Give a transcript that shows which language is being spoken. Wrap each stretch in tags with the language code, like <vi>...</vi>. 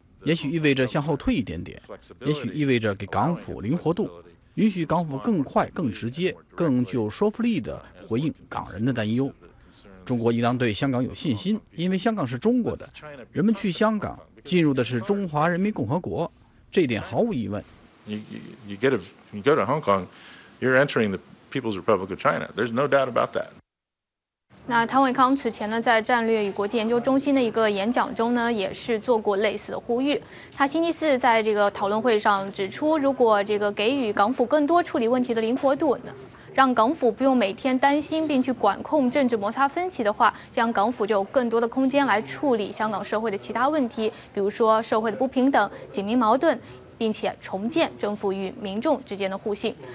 <zh>也许意味着向后退一点点，也许意味着给港府灵活度，允许港府更快、更直接、更具有说服力地回应港人的担忧。中国应当对香港有信心，因为香港是中国的，人们去香港进入的是中华人民共和国，这一点毫无疑问。</zh> <en>You go to Hong Kong, you're entering the People's Republic of China. There's no doubt about that.</en> <zh>那汤伟康此前呢，在战略与国际研究中心的一个演讲中呢，也是做过类似的呼吁。他星期四在这个讨论会上指出，如果这个给予港府更多处理问题的灵活度呢，让港府不用每天担心并去管控政治摩擦分歧的话，这样港府就有更多的空间来处理香港社会的其他问题，比如说社会的不平等、警民矛盾，并且重建政府与民众之间的互信。</zh>